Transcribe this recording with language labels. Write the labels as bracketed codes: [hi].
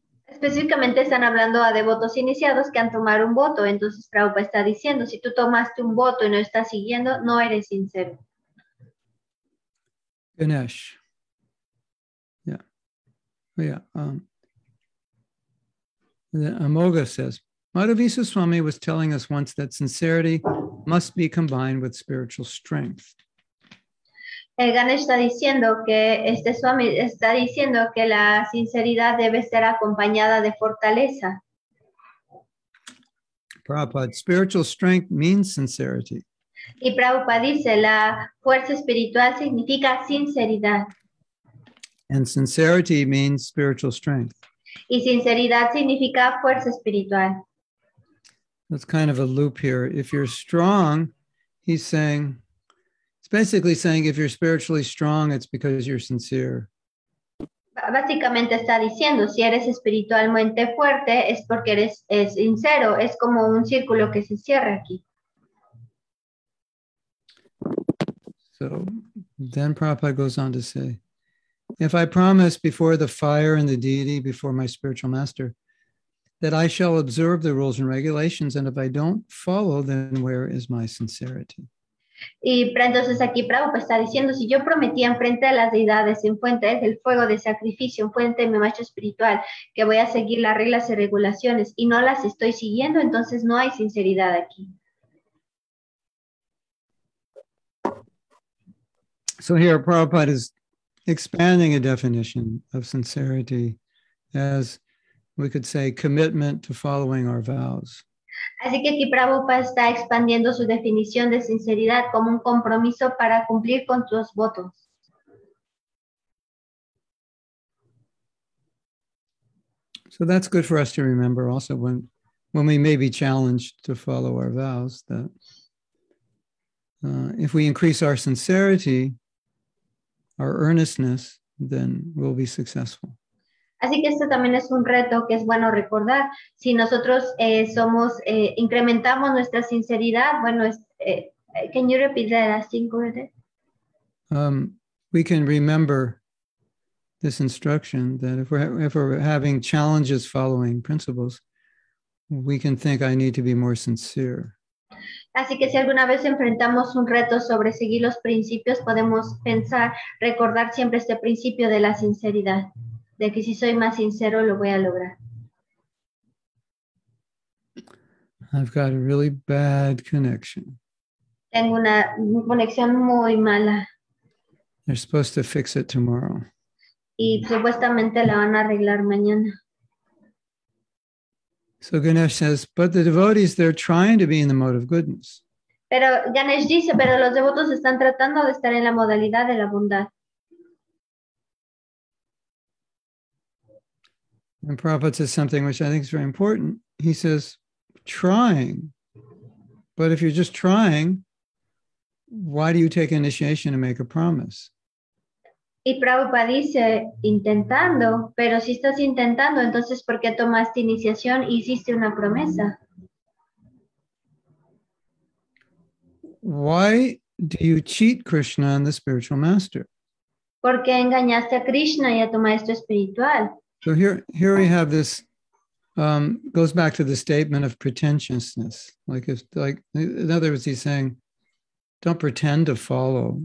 [es] Específicamente están hablando a devotos iniciados que han tomado un voto. Entonces Prabhupada está diciendo, si tú tomaste un voto y no estás siguiendo, no eres sincero. [en] Ganesh. Yeah. Yeah. Amoga says, Madhavisa Swami was telling us once that sincerity must be combined with spiritual strength. [es] Ganesh está diciendo que este Swami está diciendo que la sinceridad debe ser acompañada de fortaleza. [en] Prabhupada, spiritual strength means sincerity. [es] Y Prabhupada dice, la fuerza espiritual significa sinceridad. [en] And sincerity means spiritual strength. [es] Y sinceridad significa fuerza espiritual. [en] That's kind of a loop here. If you're strong, he's saying, it's basically saying if you're spiritually strong, it's because you're sincere. [es] Básicamente está diciendo, si eres espiritualmente fuerte, es porque eres sincero. Es como un círculo que se cierra aquí. [en] So, then Prabhupada goes on to say, if I promise before the fire and the deity, before my spiritual master, that I shall observe the rules and regulations, and if I don't follow, then where is my sincerity? [es] Y entonces aquí Prabhupada está diciendo, si yo prometí en frente a las deidades, en fuente del fuego de sacrificio, en fuente de mi maestro espiritual, que voy a seguir las reglas y regulaciones, y no las estoy siguiendo, entonces no hay sinceridad aquí. [en] So here Prabhupada is expanding a definition of sincerity as we could say commitment to following our vows. [es] Así que aquí Prabhupada está expandiendo su definición de sinceridad como un compromiso para cumplir con tus votos. [en] So that's good for us to remember also when we may be challenged to follow our vows, that if we increase our sincerity, our earnestness, then we'll be successful. [es] Así que esto también es un reto que es bueno recordar. Si nosotros incrementamos nuestra sinceridad, bueno, [en] can you repeat that last thing, Gurudev? We can remember this instruction that if we're having challenges following principles, we can think I need to be more sincere. [es] Así que si alguna vez enfrentamos un reto sobre seguir los principios, podemos pensar, recordar siempre este principio de la sinceridad, de que si soy más sincero lo voy a lograr. [en] I've got a really bad connection. [es] Tengo una conexión muy mala. [en] They're supposed to fix it tomorrow. [es] Y supuestamente la van a arreglar mañana. [en] So Ganesh says, but the devotees, they're trying to be in the mode of goodness. [es] Pero Ganesh dice, pero los devotos están tratando de estar en la modalidad de la bondad. [en] And Prabhupada says something which I think is very important. He says, trying. But if you're just trying, why do you take initiation and make a promise? [es] Y Prabhupada dice, intentando, pero si estás intentando, entonces ¿por qué tomaste iniciación y hiciste una promesa? [en] Why do you cheat Krishna and the spiritual master? [es] ¿Por qué engañaste a Krishna y a tu maestro espiritual? [en] So here we have this, goes back to the statement of pretentiousness. Like in other words, he's saying, don't pretend to follow.